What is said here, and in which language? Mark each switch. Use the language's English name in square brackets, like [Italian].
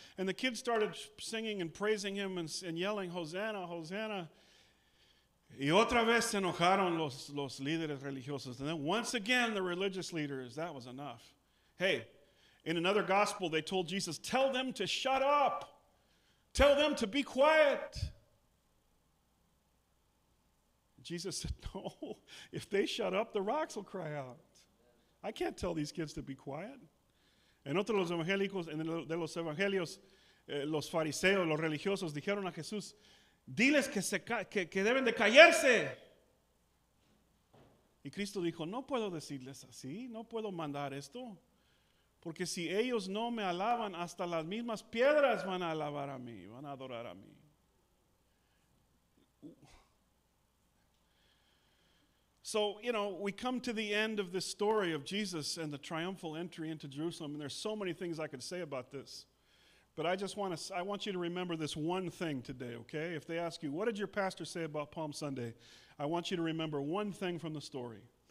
[English] And the kids started singing and praising him and yelling, Hosanna, Hosanna. [Spanish] Y otra vez se enojaron los líderes religiosos. [English] And then once again, the religious leaders, that was enough. Hey, in another gospel, they told Jesus, tell them to shut up. Tell them to be quiet. Jesus said, no, if they shut up, the rocks will cry out. I can't tell these kids to be quiet. [Spanish] En otro de los evangelios, los fariseos, los religiosos, dijeron a Jesús, diles que deben de callarse. Y Cristo dijo, no puedo decirles así, no puedo mandar esto. Porque si ellos no me alaban, hasta las mismas piedras van a alabar a mí, van a adorar a mí. [English] So So, you know, we come to the end of this story of Jesus and the triumphal entry into Jerusalem, and there's so many things I could say about this. But I just want you to remember this one thing today, okay? If they ask you, what did your pastor say about Palm Sunday? I want you to remember one thing from the story.